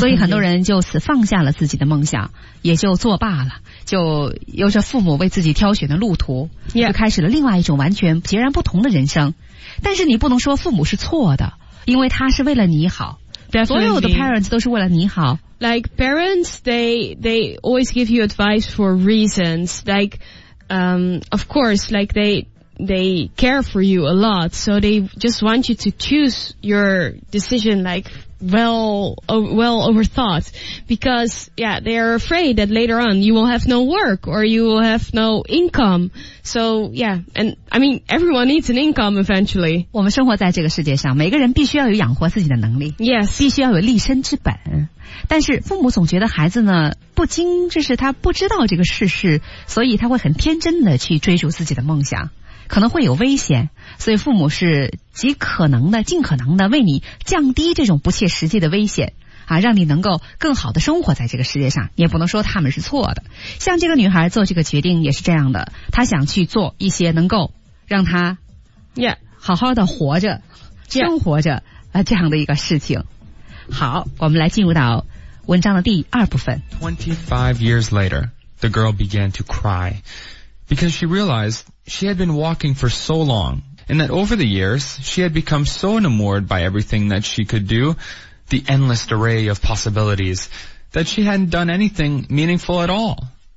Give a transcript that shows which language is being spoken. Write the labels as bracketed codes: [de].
[zh] 所以很多人就此放下了自己的梦想，也就作罢了，就由着父母为自己挑选的路途、 [en] yeah. [zh] 就开始了另外一种完全截然不同的人生。但是你不能说父母是错的，因为他是为了你好、 [en] Definitely. [zh] 所有的 parents 都是为了你好。 [en] Like parents, they always give you advice for reasons. Like, of course, like they care for you a lot. So they just want you to choose your decision like well overthought. Because, yeah, they are afraid that later on you will have no work or you will have no income. So, yeah, and I mean, everyone needs an income eventually. [zh] 我们生活在这个世界上，每个人必须要有养活自己的能力。 [en] Yes. [zh] 必须要有立身之本。但是父母总觉得孩子呢不经，这是他不知道这个世事，所以他会很天真的去追逐自己的梦想，可能会有危险，所以父母是极可能的尽可能的为你降低这种不切实际的危险啊，让你能够更好的生活在这个世界上。也不能说他们是错的，像这个女孩做这个决定也是这样的，她想去做一些能够让她好好的活着生活着这样的一个事情。好，我们来进入到文章的第二部分。 [en] 25 years later, the girl began to cry because she realized she had been walking for so long and that over the years, she had become so enamored by everything that she could do, the endless array of possibilities, that she hadn't done anything meaningful at all.